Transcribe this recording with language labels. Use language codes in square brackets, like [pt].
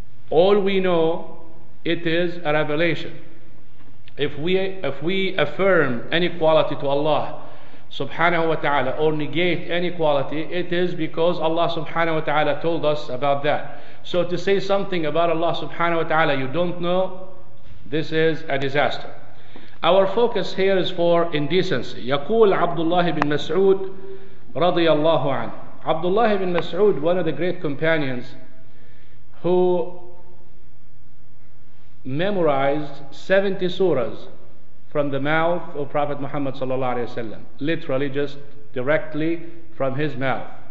[en] All we know, it is a revelation. If we affirm any quality to Allah subhanahu wa ta'ala or negate any quality, it is because Allah subhanahu wa ta'ala told us about that. So to say something about Allah subhanahu wa ta'ala you don't know, this is a disaster. Our focus here is for indecency. [ar] يقول عبد الله بن مسعود رضي الله عنه. [en] عبد الله بن مسعود, one of the great companions who memorized 70 surahs from the mouth of Prophet Muhammad sallallahu alaihi wasallam, literally just directly from his mouth.